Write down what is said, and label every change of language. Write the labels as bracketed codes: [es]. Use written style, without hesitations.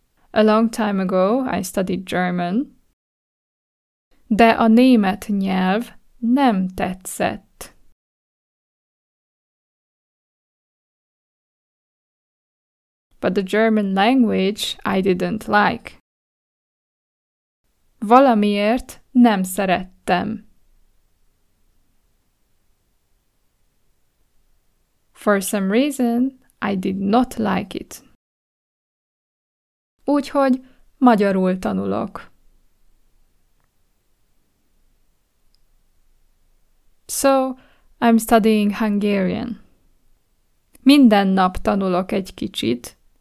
[en] A long time ago I studied German. [hu] De a német nyelv nem tetszett. [en] But the German language I didn't like. [hu] Valamiért nem szerettem. [en] For some reason, I did not like it. [hu] Úgyhogy magyarul tanulok. [en] So, I'm studying Hungarian. [hu] Minden nap tanulok egy kicsit.